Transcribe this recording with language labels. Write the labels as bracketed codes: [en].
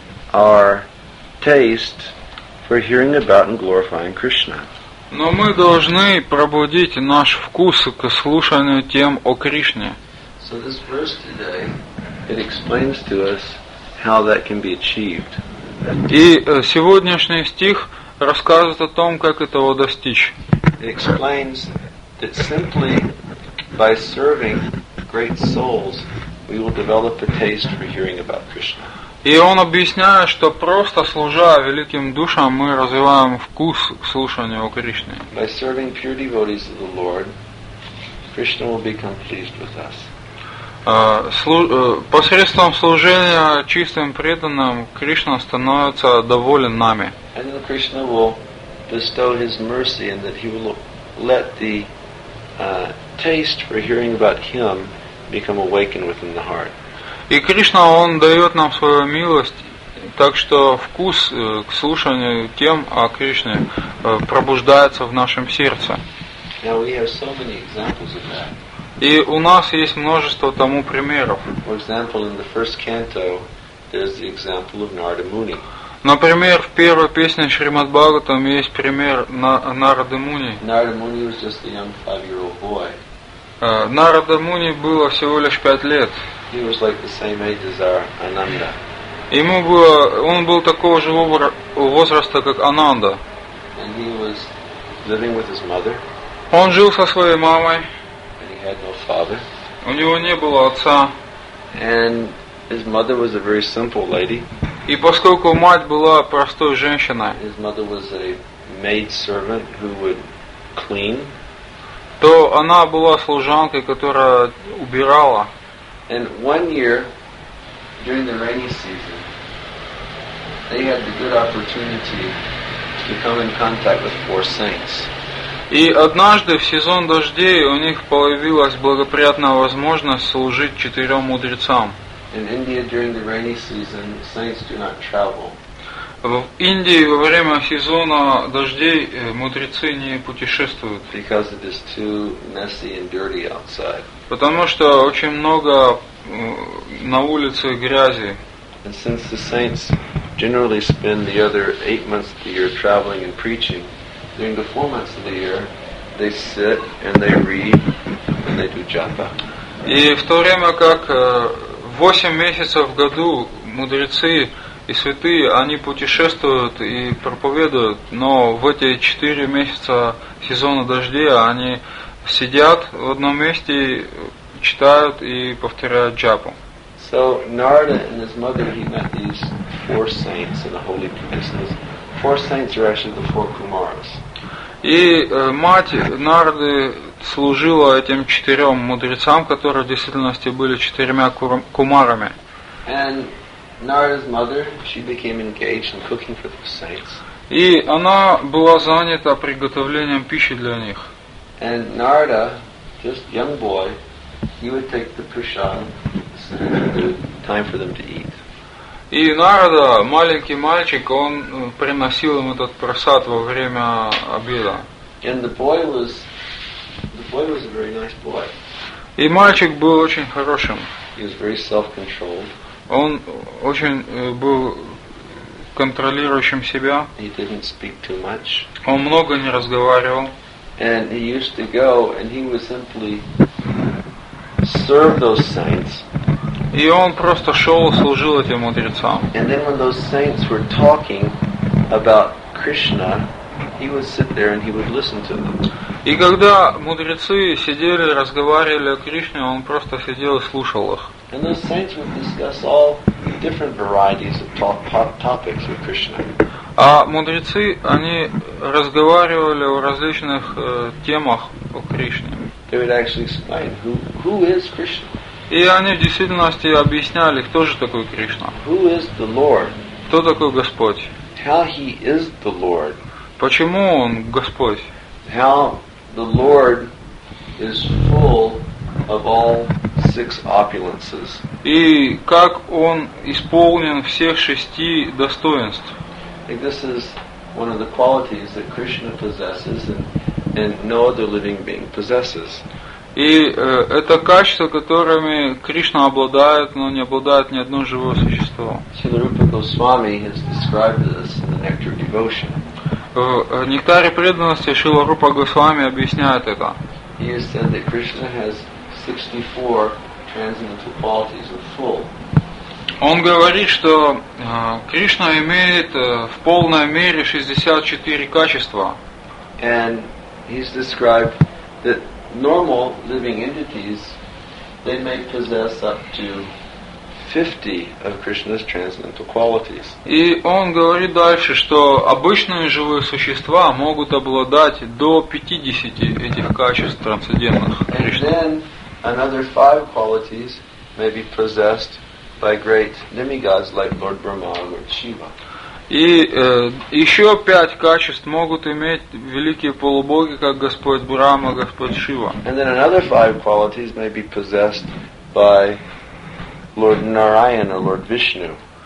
[en] Our taste for hearing about and glorifying Krishna. [ru] Но мы должны пробудить наш вкус к слушанию тем о Кришне. [en] So this verse today, it explains to us how that can be achieved. [ru] И сегодняшний стих рассказывает о том, как этого достичь. [en] It explains that simply by serving great souls, we will develop a taste for hearing about Krishna. [ru] И он объясняет, что просто служа великим душам, мы развиваем вкус к слушанию о Кришне. [en] By serving pure devotees of the Lord, Krishna will become pleased with us. [ru] Посредством служения чистым преданным Кришна становится доволен нами. [en] And then Krishna will bestow his mercy and that he will let the taste for hearing about him become awakened within the heart. [ru] И Кришна, Он дает нам свою милость, так что вкус к слушанию тем о Кришне пробуждается в нашем сердце. [en] Now we have so many examples of that. [ru] И у нас есть множество тому примеров. [en] For example, in the first canto, there's the example of Narada Muni. [ru] Например, в первой песне Шримад Бхагаватам есть пример Нарады Муни. [en] Narada Muni was just a young 5-year-old boy. [ru] Нарада Муни было всего лишь 5 лет. [en] He was like the same age as our Ananda. [ru] Ему было, он был такого же возраста, как Ананда. [en] And he was living with his mother. [ru] Он жил со своей мамой. [en] And he had no father. [ru] У него не было отца. [en] And his mother was a very simple lady. [ru] И поскольку мать была простой женщиной, [en] his mother was a maid servant who would clean. [ru] То она была служанкой, которая убирала. [en] And one year, during the rainy season, they had the good opportunity to come in contact with four saints. [ru] И однажды в сезон дождей у них появилась благоприятная возможность служить четырем мудрецам. [en] In India during the rainy season, saints do not travel. [ru] В Индии во время сезона дождей мудрецы не путешествуют. [en] Because it is too messy and dirty outside. [ru] Потому что очень много на улице грязи. [en] And since the saints generally spend the other 8 months of the year traveling and preaching, during the 4 months of the year, they sit and they read and they do japa. [ru] И в то время как 8 месяцев в году мудрецы и святые, они путешествуют и проповедуют, но в эти 4 месяца сезона дождей они сидят в одном месте, читают и повторяют джапу. [en] So Narada and his mother, he met these four saints in the holy places. Four saints are actually the four kumaras. [ru] И мать Нарды служила этим четырем мудрецам, которые в действительности были четырьмя кумарами. [en] And Narada's mother, she became engaged in cooking for the saints. [ru] И она была занята приготовлением пищи для них. [en] And Narada, just young boy, he would take the prasad, the time for them to eat. [ru] И Нарада, маленький мальчик, он приносил им этот просад во время обеда. [en] And the boy was a very nice boy. [ru] И мальчик был очень хорошим. [en] He was very self-controlled. [ru] Он очень был контролирующим себя. [en] He didn't speak too much. [ru] Он много не разговаривал. [en] And he used to go, and he would simply serve those saints. [ru] И он просто шел и служил этим мудрецам. [en] And then when those saints were talking about Krishna, he would sit there and he would listen to them. [ru] И когда мудрецы сидели и разговаривали о Кришне, он просто сидел и слушал их. [en] And those saints would discuss all different varieties of topics with Krishna. [ru] А мудрецы, они разговаривали о различных темах о Кришне. [en] They would actually explain who is Krishna. [ru] И они в действительности объясняли, кто же такой Кришна. [en] Who is the Lord? [ru] Кто такой Господь? [en] How he is the Lord? [ru] Почему он Господь? [en] How the Lord is full of all 6 opulences. [ru] И как он исполнен всех 6 достоинств. [en] This is one of the qualities that Krishna possesses and no other living being possesses. [ru] И это качества, которыми Кришна обладает, но не обладает ни одно живое существо. [en] Śrīla Rūpa Gosvāmī has described this in the Nectar of Devotion. [ru] В нектаре преданности Śrīla Rūpa Gosvāmī объясняет это. [en] He has said that Krishna has 64 transcendental qualities of full. [ru] Он говорит, что Кришна имеет в полной мере 64 качества. [en] And he's described that normal living entities, they may possess up to 50 of Krishna's transcendental qualities. [ru] И он говорит дальше, что обычные живые существа могут обладать до 50 этих качеств трансцендентных. [en] And then another 5 qualities may be possessed by great demigods like Lord Brahma or Shiva. [ru] И еще 5 качеств могут иметь великие полубоги, как Господь Брахма, Господь Шива. [en] And then another 5 qualities may be possessed by Lord Narayan or Lord Vishnu.